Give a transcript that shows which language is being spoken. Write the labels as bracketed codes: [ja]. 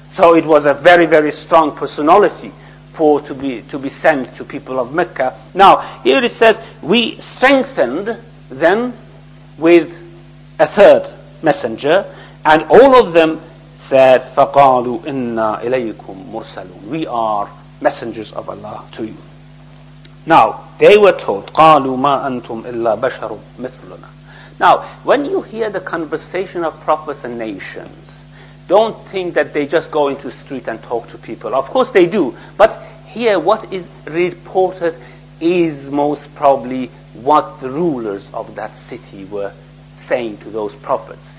[en] So it was a very, very strong personality for to be sent to people of Mecca. Now, here it says, we strengthened them with a third messenger, and all of them said, [ar] فَقَالُوا إِنَّا إِلَيْكُمْ مُرْسَلُونَ. [en] We are messengers of Allah to you. Now, they were told, [ar] قَالُوا مَا أَنْتُمْ إِلَّا بَشَرٌ مِثْلُنَا. [en] Now, when you hear the conversation of prophets and nations, don't think that they just go into the street and talk to people. Of course they do. But here what is reported is most probably what the rulers of that city were saying to those prophets.